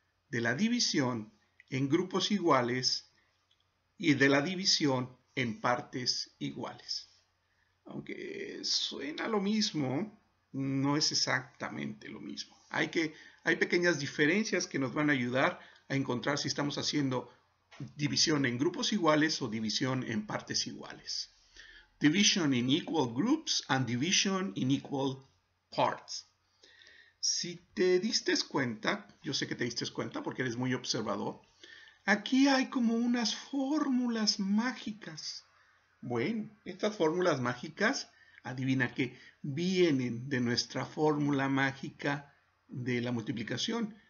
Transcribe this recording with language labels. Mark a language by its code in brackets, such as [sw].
[es] De la división en grupos iguales y de la división en partes iguales. Aunque suena lo mismo, no es exactamente lo mismo. Hay pequeñas diferencias que nos van a ayudar a encontrar si estamos haciendo división en grupos iguales o división en partes iguales. [en] Division in equal groups and division in equal parts. [es] Si te diste cuenta, yo sé que te diste cuenta porque eres muy observador, aquí hay como unas fórmulas mágicas. Bueno, estas fórmulas mágicas, adivina qué, vienen de nuestra fórmula mágica de la multiplicación.